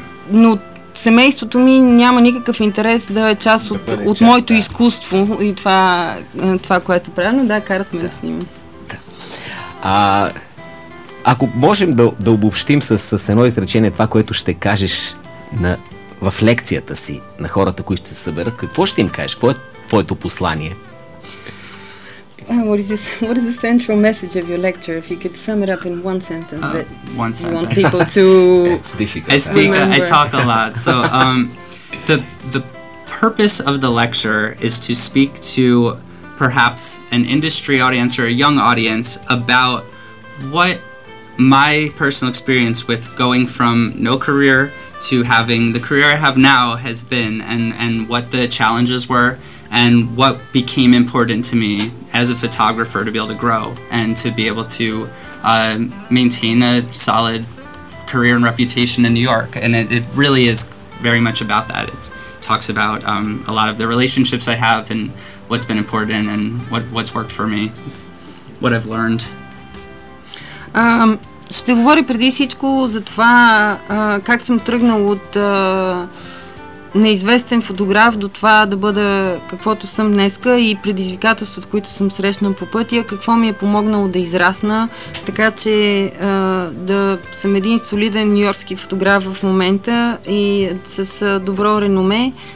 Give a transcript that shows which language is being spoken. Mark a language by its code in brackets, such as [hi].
[bg] Но семейството ми няма никакъв интерес да е част от моето изкуство и това, което правя, но да, карат ме да снимам. Да. Ако можем да обобщим с едно изречение това, което ще кажеш в лекцията си на хората, които ще се съберат, какво ще им кажеш? Какво е твоето послание? [en] What is the central message of your lecture? If you could sum it up in one sentence, one sentence. You want people to. It's difficult. I speak. I talk a lot. So the purpose of the lecture is to speak to perhaps an industry audience or a young audience about what my personal experience with going from no career to having the career I have now has been, and what the challenges were and what became important to me as a photographer to be able to grow and to be able to maintain a solid career and reputation in New York. And it really is very much about that. It talks about a lot of the relationships I have and what's been important and what's worked for me, what I've learned. [bg] Ще говоря преди всичко за това как съм тръгнал от неизвестен фотограф до това да бъда каквото съм днеска и предизвикателството, което съм срещнал по пътя, какво ми е помогнало да израсна, така че да съм един солиден нью-йоркски фотограф в момента и с добро реноме.